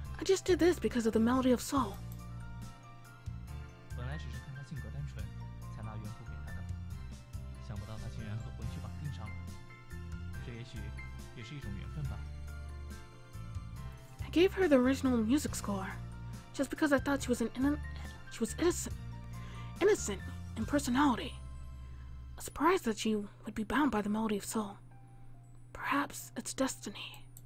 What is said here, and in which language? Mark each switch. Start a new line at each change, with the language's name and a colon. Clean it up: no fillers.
English: I just did this because of the melody of soul.
Chinese: 本来只是看他性格单纯，才拿原谱给他的。想不到他竟然和魂曲绑定上了。这也许也是一种缘分吧。
English: I gave her the original music score, just because I thought she was innocent in personality. I'm surprised that she would be bound by the melody of soul. Perhaps it's destiny.